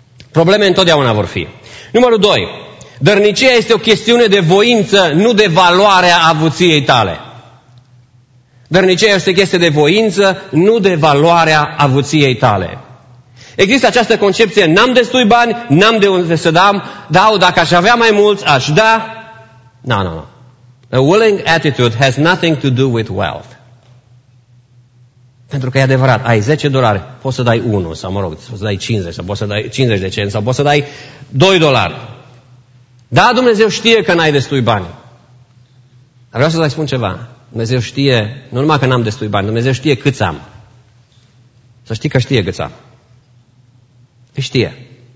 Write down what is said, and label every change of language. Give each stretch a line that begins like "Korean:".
Romanian: Probleme întotdeauna vor fi. Numărul 2. Dărnicia este o chestiune de voință, nu de valoarea avuției tale. Dărnicia este o chestie de voință, nu de valoarea avuției tale. Există această concepție, n-am destui bani, n-am de unde să dau, dacă aș avea mai mulți, aș da.
English: No. A willing attitude has nothing to do with wealth.
Romanian: Pentru că e adevărat, ai 10 dolari, poți să dai 1, sau mă rog, poți să dai 50, sau poți să dai 50 de cenți, sau poți să dai 2 dolari. Da, Dumnezeu știe că n-ai destui bani. Dar vreau să-ți spun ceva. Dumnezeu știe, nu numai că n-am destui bani, Dumnezeu știe câți am. Să știi că știe câți am. Știe.